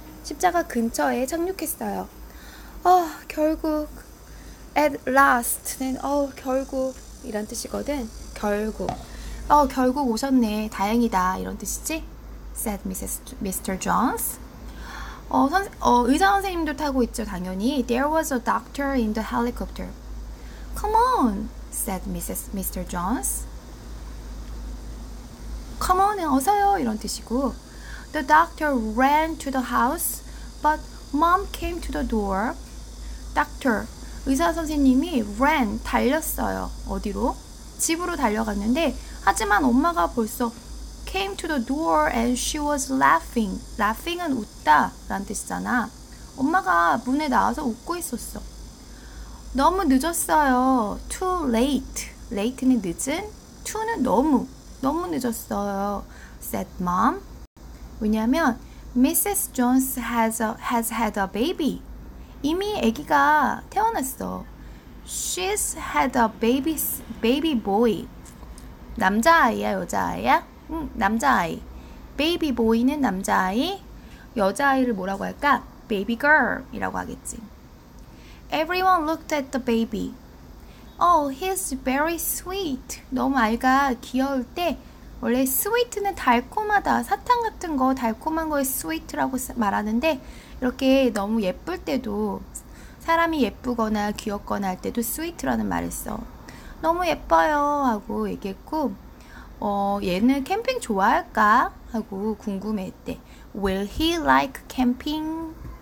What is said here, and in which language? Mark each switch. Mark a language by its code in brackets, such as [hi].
[ko] 십자가 근처에 착륙했어요. 결국. at last는 결국 이런 뜻이거든. 결국. 결국 오셨네. 다행이다. 이런 뜻이지? [en] said Mr. Jones. [ko] 의사 선생님도 타고 있죠, 당연히. [en] There was a doctor in the helicopter. Come on, said Mr. Jones. [ko] Come on, 어서요, 이런 뜻이고. [en] The doctor ran to the house, but mom came to the door. [ko] Doctor, 의사 선생님이 ran, 달렸어요. 어디로? 집으로 달려갔는데, 하지만 엄마가 벌써 [en] came to the door and she was laughing. [ko] laughing은 웃다 라는 뜻이잖아. 엄마가 문에 나와서 웃고 있었어. 너무 늦었어요. too late. late는 늦은. too는 너무. 너무 늦었어요. [en] said mom. [ko] 왜냐면 Mrs. [en] Jones has had a baby. [ko] 이미 아기가 태어났어. [en] she's had a baby boy. [ko] 남자아이야 여자아이야? 응, 남자아이. baby boy는 남자아이. 여자아이를 뭐라고 할까? baby girl이라고 하겠지. [en] Everyone looked at the baby. Oh, he's very sweet. [ko] 너무 아이가 귀여울 때 원래 sweet는 달콤하다. 사탕 같은 거 달콤한 거에 sweet라고 말하는데 이렇게 너무 예쁠 때도 사람이 예쁘거나 귀엽거나 할 때도 sweet라는 말을 써. 너무 예뻐요 하고 얘기했고 얘는 캠핑 좋아할까? 하고 궁금해했대. [en] Will he like camping?